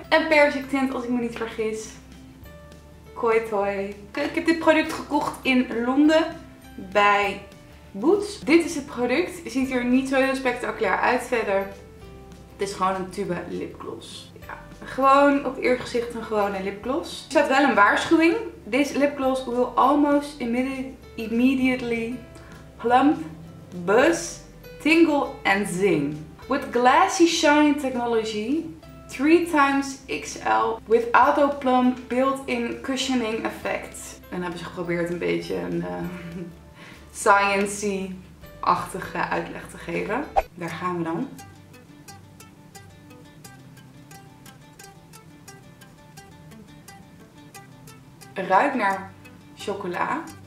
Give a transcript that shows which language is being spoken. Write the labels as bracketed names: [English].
[Dutch] En persic tint, als ik me niet vergis. Koi Toi. Ik heb dit product gekocht in Londen bij Boots. Dit is het product. Ziet er niet zo heel spectaculair uit verder. Het is gewoon een tube lipgloss. Ja. Gewoon op het eerste gezicht een gewone lipgloss. Er staat wel een waarschuwing. [English] This lipgloss will almost immediately plump, buzz, tingle en zing. With glassy shine technology, 3x XL, with auto plump built-in cushioning effect. [Dutch] En hebben ze geprobeerd een beetje een science-y-achtige uitleg te geven. Daar gaan we dan. Ruikt naar chocola.